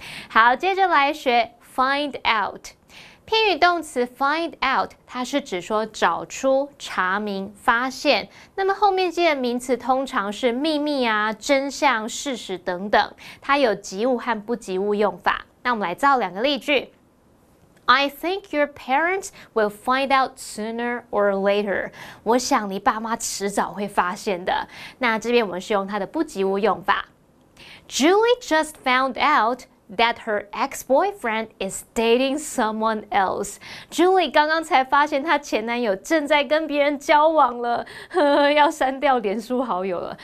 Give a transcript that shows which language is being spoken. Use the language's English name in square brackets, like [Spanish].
[Chinese] 好，接着来学 find out。偏语动词 find out 它是指说找出、查明、发现，那么后面接的名词通常是秘密啊、真相、事实等等，它有及物和不及物用法。那我们来造两个例句。 [English] I think your parents will find out sooner or later. [Chinese] 我想你爸妈迟早会发现的。那这边我们是用它的不及物用法。 [English] Julie just found outThat her ex-boyfriend is dating someone else. [Chinese] Julie 刚刚才发现她前男友正在跟别人交往了，呵呵，要删掉脸书好友了。